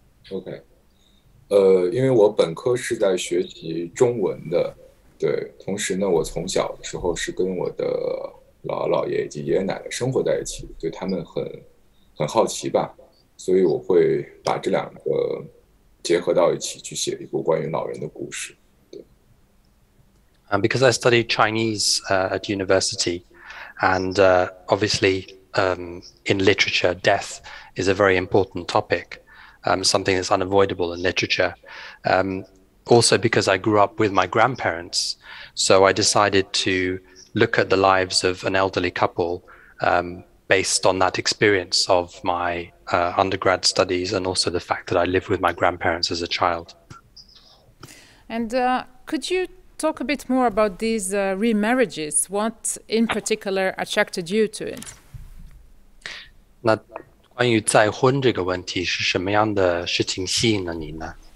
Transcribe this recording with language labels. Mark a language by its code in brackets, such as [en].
[zh] ？OK， 因为我本科是在学习中文的，对，同时呢，我从小的时候是跟我的姥姥姥爷以及爷爷奶奶生活在一起，对他们很好奇吧，所以我会把这两个结合到一起去写一部关于老人的故事。 [en] Because I studied Chinese at university, and obviously in literature, death is a very important topic, something that's unavoidable in literature. Also because I grew up with my grandparents, so I decided to look at the lives of an elderly couple based on that experience of my undergrad studies and also the fact that I lived with my grandparents as a child. And could you talk a bit more about these remarriages. What in particular attracted you to it? [zh] 那关于再婚这个问题是什么样的事情吸引了你呢？